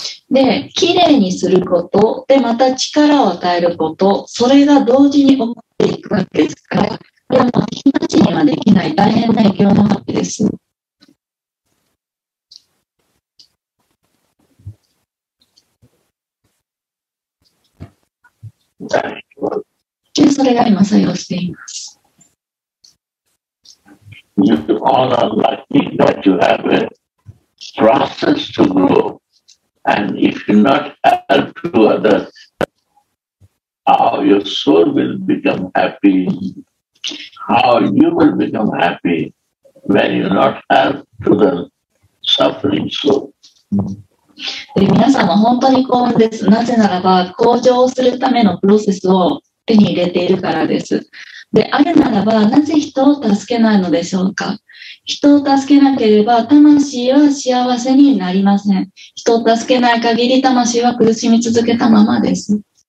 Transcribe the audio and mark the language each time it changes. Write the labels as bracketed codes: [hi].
[ja] で、きれいにすることで、また力を与えること、それが同時に起こっていくわけですから、これは巻き待ちにはできない大変な影響なわけです。で、それが今作用しています。 [en] You are lucky that you have a process to grow, and if you not help to others, how your soul will become happy, how you will become happy when you not help to the suffering soul. [ja] で、皆さんも本当に幸運です。なぜならば、向上するためのプロセスを手に入れているからです。で、あるならば、なぜ人を助けないのでしょうか。人を助けなければ、魂は幸せになりません。人を助けない限り、魂は苦しみ続けたままです。